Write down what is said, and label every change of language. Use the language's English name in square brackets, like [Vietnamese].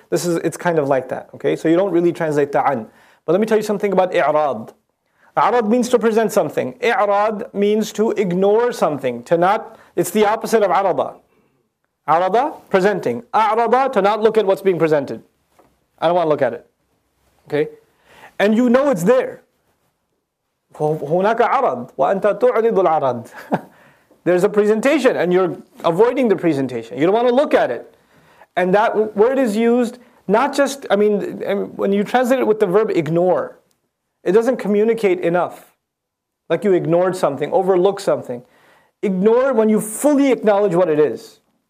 [English] It's kind of like that. Okay, so you don't really translate the عَنْ. But let me tell you something about إِعْرَاض. عَرَض means to present something. إِعْرَاض means to ignore something, to not... It's the opposite of arada. Arada, presenting. Arada, to not look at what's being presented. I don't want to look at it. Okay? And you know it's there. [Arabic] هناك عرض وأنت تعرض العرض. [English] There's a presentation and you're avoiding the presentation. You don't want to look at it. And that word is used not just, I mean, when you translate it with the verb ignore, it doesn't communicate enough. Like you ignored something, overlooked something. Ignore when you fully acknowledge what it is.